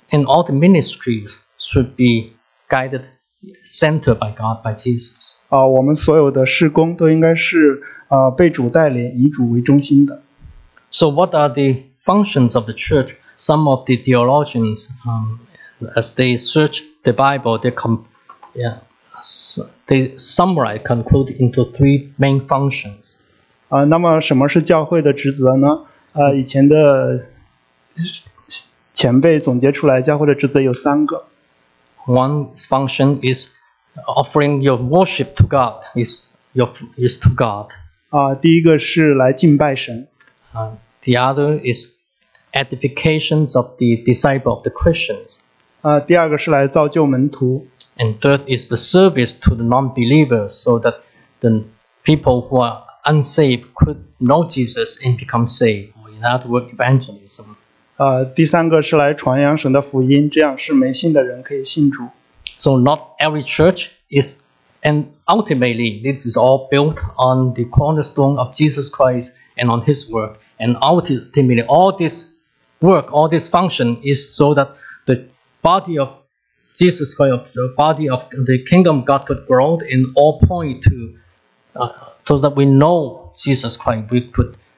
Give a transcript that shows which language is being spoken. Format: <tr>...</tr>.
<en>And all the ministries should be guided, centered by God, by Jesus.</en> <zh>我们所有的事工都应该是被主带领，以主为中心的。</zh> <en>So what are the functions of the church? Some of the theologians, as they search the Bible, they summarize, conclude into three main functions.</en> <zh>那么什么是教会的职责呢?以前的 前辈总结出来教会的职责有三个。</zh> <en>One function is offering your worship to God. Is to God.</en> <zh>第一个是来敬拜神。</zh> <en>The other is edifications of the disciple of the Christians.</en> <zh>第二个是来造就门徒。</zh> <en>And third is the service to the non-believers so that the people who are unsaved could know Jesus and become saved. In other words, evangelism.</en> <zh>第三个是来传扬神的福音，这样是没信的人可以信主。</zh> <en>So not every church is, and ultimately this is all built on the cornerstone of Jesus Christ and on His work. And ultimately all this work, all this function is so that the body of Jesus Christ, the body of the kingdom of God could grow and all point to, so that we know Jesus Christ, we could.</en>